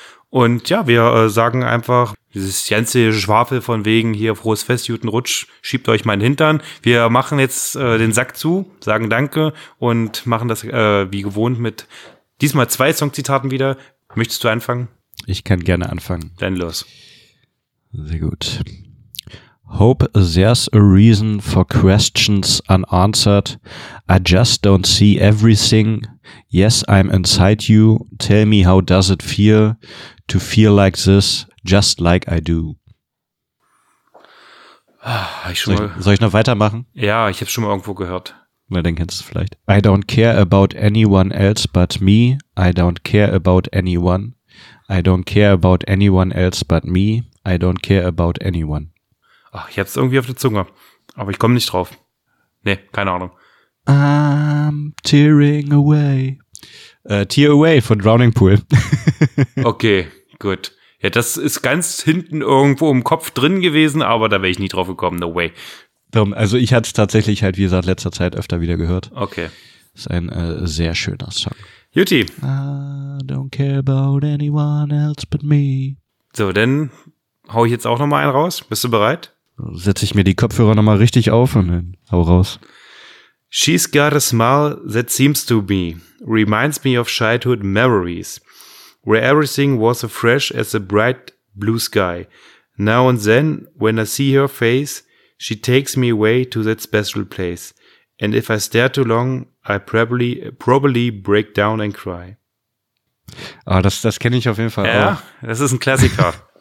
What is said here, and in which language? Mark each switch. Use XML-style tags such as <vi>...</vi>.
<de>Und ja, wir sagen einfach, dieses ganze Schwafel von wegen hier, frohes Fest, guten Rutsch, schiebt euch meinen Hintern. Wir machen jetzt den Sack zu, sagen danke und machen das wie gewohnt mit diesmal 2 Songzitaten wieder. Möchtest du anfangen? Ich kann gerne anfangen. Dann los. Sehr gut.</de> <en>Hope there's a reason for questions unanswered. I just don't see everything. Yes, I'm inside you. Tell me, how does it feel to feel like this, just like I do?</en> <de>Soll ich noch weitermachen? Ja, ich hab's schon mal irgendwo gehört. Na, dann kennst du es vielleicht.</de> <en>I don't care about anyone else but me. I don't care about anyone. I don't care about anyone else but me. I don't care about anyone.</en> <de>Ach, ich hab's irgendwie auf der Zunge. Aber ich komme nicht drauf. Nee, keine Ahnung.</de> <en>I'm tearing away. Tear away von Drowning Pool.</en> <de>Okay, gut. Ja, das ist ganz hinten irgendwo im Kopf drin gewesen, aber da wäre ich nie drauf gekommen.</de> <en>No way.</en> <de>Also ich hatte es tatsächlich halt, wie gesagt, letzter Zeit öfter wieder gehört. Okay. Ist ein sehr schöner Song. Jutti.</de> <en>I don't care about anyone else but me.</en> <de>So, dann hau ich jetzt auch nochmal einen raus. Bist du bereit? Setze ich mir die Kopfhörer nochmal richtig auf und dann hau raus.</de> <en>She's got a smile that seems to me. Reminds me of childhood memories. Where everything was as fresh as a bright blue sky. Now and then, when I see her face, she takes me away to that special place. And if I stare too long, I probably break down and cry.</en> <de>Ah, das kenne ich auf jeden Fall ja, auch. Ja, das ist ein Klassiker.</de>